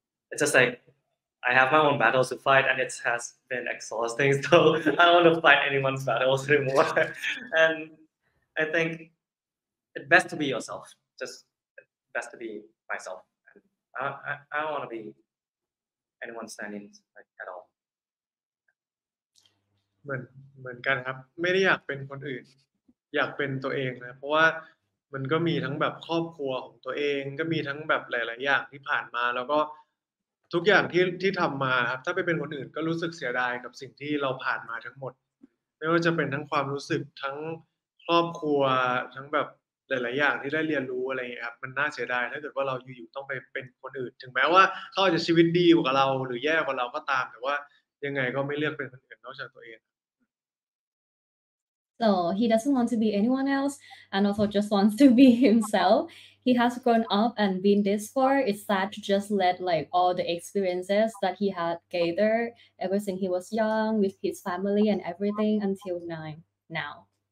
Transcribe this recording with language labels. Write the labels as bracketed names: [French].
[English] It's just like I have my own battles to fight, and it has been exhausting. So I don't want to fight anyone's battles anymore. And I think it's best to be yourself. Just best to be myself. And I don't want to be anyone standing like at all. [Thai] เหมือนกันครับไม่ได้อยากเป็นคนอื่นอยากเป็นตัวเองนะเพราะว่ามันก็มีทั้งแบบครอบครัวของตัวเองก็มีทั้งแบบหลายๆอย่างที่ผ่านมาแล้วก็ ทุกอย่างที่ทำมาครับถ้าไปเป็นคนอื่นก็รู้สึกเสียดายกับสิ่งที่เราผ่านมาทั้งหมดไม่ว่าจะเป็นทั้งความรู้สึกทั้งครอบครัวทั้งแบบหลายๆอย่างที่ได้เรียนรู้อะไรอย่างเงี้ยครับมันน่าเสียดายถ้าเกิดว่าเราอยู่ต้องไปเป็นคนอื่นถึงแม้ว่าเขาจะชีวิตดีกว่าเราหรือแย่กว่าเราก็ตามแต่ว่ายังไงก็ไม่เลือกเป็นคนอื่นนอกจากตัวเอง [English] So he doesn't want to be anyone else and also just wants to be himself. He has grown up and been this far. It's sad to just let like all the experiences that he had gathered ever since he was young with his family and everything until now.